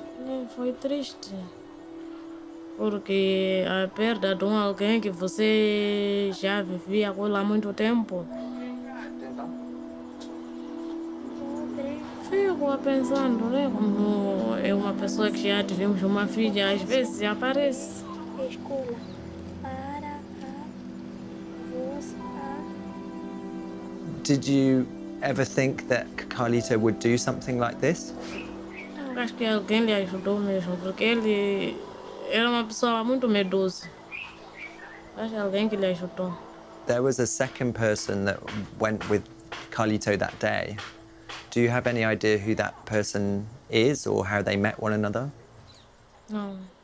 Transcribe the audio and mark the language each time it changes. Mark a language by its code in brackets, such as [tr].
[pt] E foi triste, porque a perda de alguém que você já vivia com ele há muito tempo. Fico pensando, né, como é uma pessoa que já tivemos uma filha, às vezes aparece. Escola para [en] a Did you ever think that Carlito would do something like this? [pt] Acho que alguém lhe ajudou mesmo, porque ele era uma pessoa muito medrosa. Acho que alguém que lhe ajudou. [en] There was a second person that went with Carlito that day. Do you have any idea who that person is or how they met one another? [pt] Não.